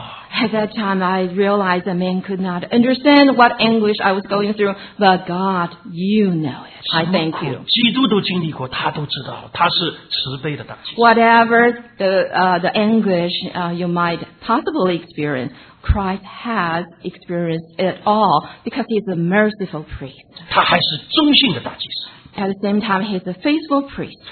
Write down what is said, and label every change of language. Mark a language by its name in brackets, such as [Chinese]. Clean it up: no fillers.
[English] At that time, I realized a man could not understand what anguish I was going through, but God, you know it. I thank you. [Chinese] 基督都经历过, 他都知道, [English] Whatever the anguish you might possibly experience, Christ has experienced it all because he's a merciful priest. [Chinese] 他还是忠信的大祭司, [English] At the same time, he's a faithful priest.